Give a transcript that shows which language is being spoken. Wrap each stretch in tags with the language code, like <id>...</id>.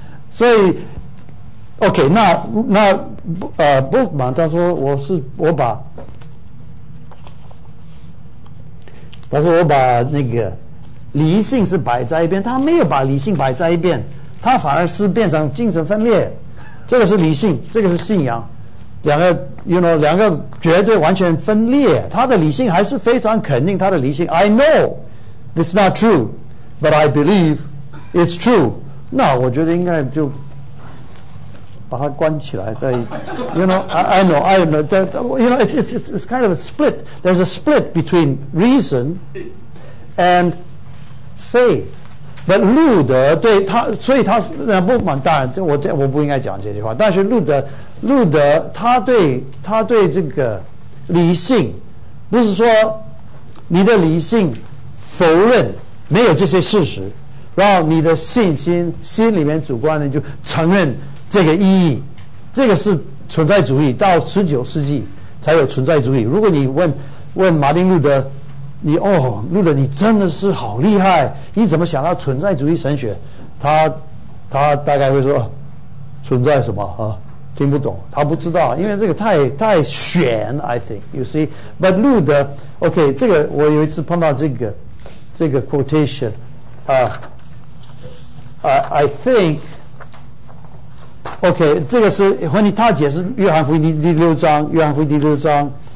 <zh>所以 OK, 那Bultmann 他说我把那个理性是摆在一边，他没有把理性摆在一边，他反而是变成精神分裂。这个是理性，这个是信仰。两个</zh> <en>you know,</en> <zh>两个绝对完全分裂。他的理性还是非常肯定，他的理性</zh> <en>I know it's not true but I believe it's true。</en> <zh>那我觉得应该就把它关起来再</zh> <en>you know, I know it's kind of a split. There's a split between reason and faith. But</en> <zh>路德对他，所以他不满，当然我不应该讲这句话，但是路德他对这个理性，不是说你的理性否认没有这些事实，然后你的信心心里面主观的就承认这个意义。这个是存在主义，到十九世纪才有存在主义。如果你问马丁路德，你哦，路德你真的是好厉害，你怎么想到存在主义神学？他大概会说存在什么啊？听不懂，他不知道，因为这个太玄。</zh> <en>I think you see, but</en> <zh>路德 OK, 这个我有一次碰到这个 quotation 啊、</zh> <en>I think</en> <zh>OK, 这个是</zh> <en>when</en> <zh>他解释约翰福音第六章，约翰福音第六章</zh>